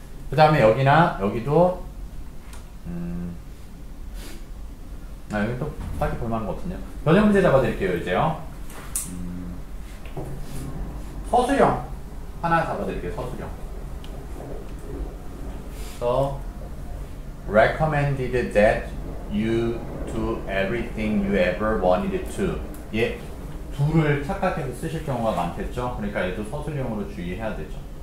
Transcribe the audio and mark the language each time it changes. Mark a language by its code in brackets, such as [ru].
[ko] 그 다음에 여기나 여기도 아 여기 또 딱히 볼만한 거 없었냐. 변형 문제 잡아드릴게요. 이제요. 서술형 하나 잡아드릴게요. 서술형. [en] So recommended that you do everything you ever wanted to. [ko] 얘 두를 착각해서 쓰실 경우가 많겠죠. 그러니까 얘도 서술형으로 주의해야 되죠.